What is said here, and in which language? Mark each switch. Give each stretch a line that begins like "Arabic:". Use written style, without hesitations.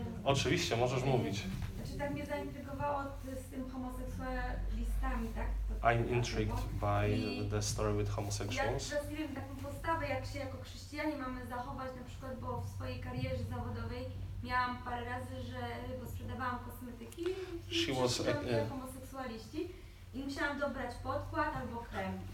Polish: Oczywiście, możesz mówić. Znaczy, tak mnie zaintrygowało z tym homoseksualistami, tak?
English: I'm intrigued by the story with homosexuals.
Polish: Ja teraz nie wiem, taką postawę, jak się jako chrześcijanie mamy zachować, na przykład, bo w swojej karierze zawodowej miałam parę razy, że sprzedawałam kosmetyki i homoseksualiści i musiałam dobrać podkład albo krem.